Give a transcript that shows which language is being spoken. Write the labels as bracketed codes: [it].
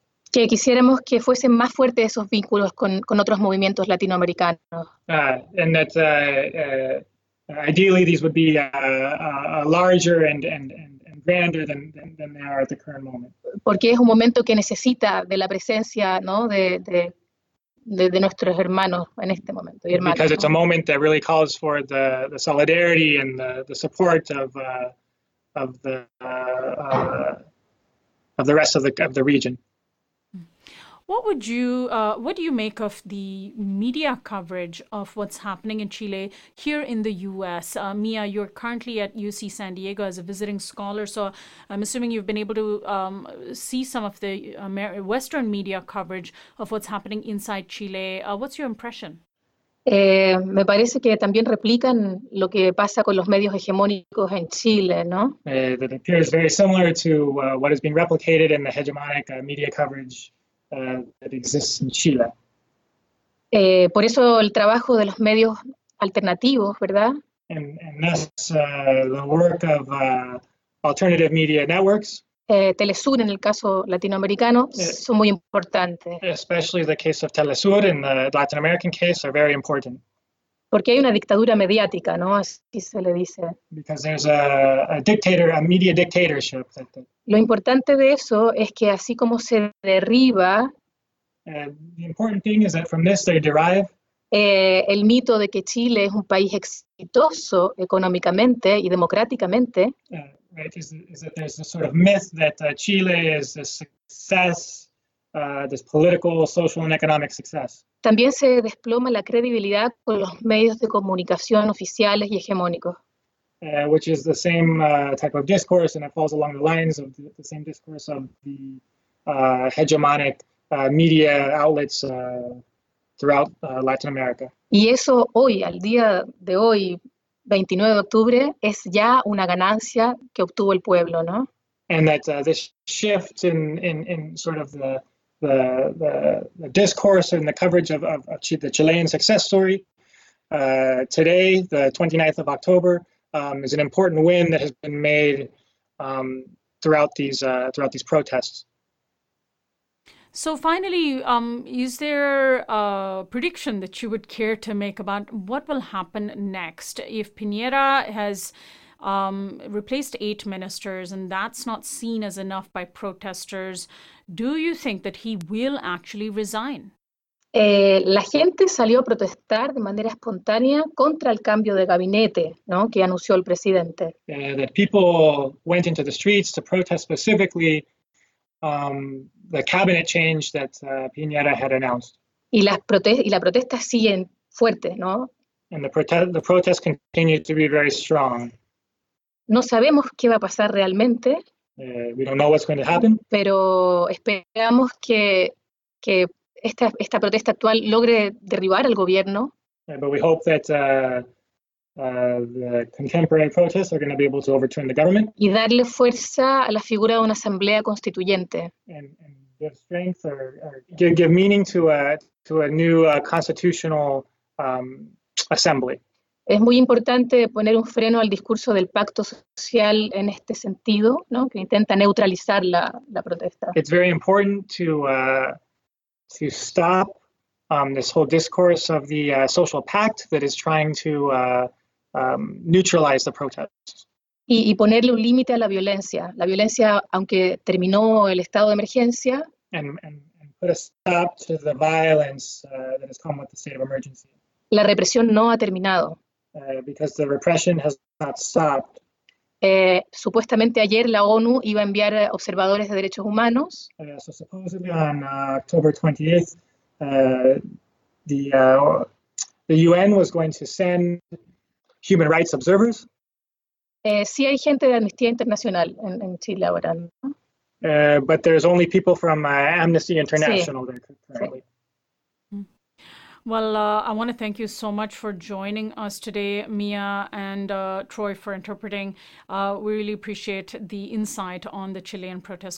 [es] Que quisiéramos que fuesen más fuertes esos vínculos con otros movimientos latinoamericanos. [en] And that ideally these would be a larger and grander than they are at the current moment. [es] Porque es un momento que necesita de la presencia, ¿no? De nuestros hermanos en este momento. Y hermanos, [en] because it's a moment that really calls for the solidarity and the support of the rest of the region. What would you what do you make of the media coverage of what's happening in Chile here in the U.S.? Mia, you're currently at UC San Diego as a visiting scholar, so I'm assuming you've been able to see some of the Western media coverage of what's happening inside Chile. What's your impression? [es] Me parece que también replican lo que pasa con los medios hegemónicos en Chile, ¿no? [en] That appears very similar to what is being replicated in the hegemonic media coverage that exists in Chile. [es] Por eso el trabajo de los medios alternativos, ¿verdad? [en] And thus the work of alternative media networks. [es] Telesur, en el caso latinoamericano, son muy importantes. [en] Especially the case of Telesur in the Latin American case are very important. [es] Porque hay una dictadura mediática, ¿no? Así se le dice. [en] Because there's a dictator, a media dictatorship. [es] Lo importante de eso es que así como se derriba, [en] the important thing is that from this they derive [es] el mito de que Chile es un país exitoso económicamente y democráticamente. [en] Right, is that there's a sort of myth that Chile is a success, this political, social, and economic success. [es] También se desploma la credibilidad con los medios de comunicación oficiales y hegemónicos. [en] which is the same type of discourse, and it falls along the lines of the same discourse of the hegemonic media outlets throughout Latin America. [es] Y eso hoy, al día de hoy, 29 de octubre, es ya una ganancia que obtuvo el pueblo, ¿no? [en] And that this shift in sort of the discourse and the coverage of the Chilean success story today, the 29th of October, is an important win that has been made throughout these protests. So finally, is there a prediction that you would care to make about what will happen next if Piñera has replaced eight ministers and that's not seen as enough by protesters? Do you think that he will actually resign? [es] La gente salió a protestar de manera espontánea contra el cambio de gabinete, ¿no?, que anunció el presidente. [en] That people went into the streets to protest specifically the cabinet change that Piñera had announced. [es] Y la protesta sigue fuerte, ¿no? [en] And the protest continued to be very strong. [es] No sabemos qué va a pasar realmente. [en] We don't know what's going to happen. [es] Pero esperamos que esta protesta actual logre derribar al gobierno. [en] But we hope that the contemporary protests are going to be able to overturn the government. [es] Y darle fuerza a la figura de una asamblea constituyente. [en] And give strength or give meaning to a new constitutional assembly. [es] Es muy importante poner un freno al discurso del pacto social en este sentido, ¿no?, que intenta neutralizar la protesta. [en] It's very important to stop this whole discourse of the social pact that is trying to neutralize the protests. [es] Y ponerle un límite a la violencia. La violencia, aunque terminó el estado de emergencia. [en] And put a stop to the violence that has come with the state of emergency. [es] La represión no ha terminado. [en] Because the repression has not stopped. [es] Supuestamente ayer la ONU iba a enviar observadores de derechos humanos. [en] So supposedly on October 28th, the UN was going to send human rights observers. [es] Sí hay gente de Amnistía Internacional en Chile ahora, ¿no? But there's only people from Amnesty International there currently. Sí. [en] Well, I want to thank you so much for joining us today, Mia, and Troy for interpreting. We really appreciate the insight on the Chilean protests.